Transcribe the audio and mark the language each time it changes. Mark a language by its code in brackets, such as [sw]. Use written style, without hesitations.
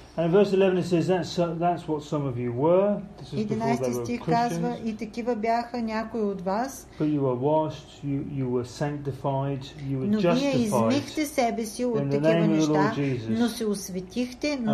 [en] And verse 11 says that's what some of you were. This is before they were Christians. [bg] Казва, и такива бяха някои от вас. [en] But you were washed, you were sanctified, you were justified. [bg] Но вие измихте себе си от такива неща, но се осветихте, но